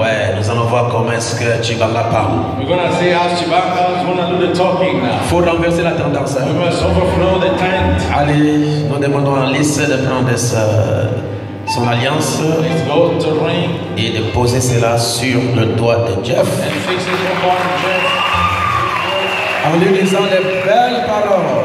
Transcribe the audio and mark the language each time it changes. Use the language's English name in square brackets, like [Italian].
[French] Ouais, nous allons voir comment est-ce que Chibanga parle. [English] We're gonna see how Chibanga is gonna do the talking now. [French] Faut renverser la tendance. [English] We must overflow the tent. [French] Allez, nous demandons à Luis de prendre son alliance. [English] Let's go to the ring. [French] Et de poser cela sur le doigt de Jeff. [English] And fix it upon Jeff. [French] En lui disant les belles paroles.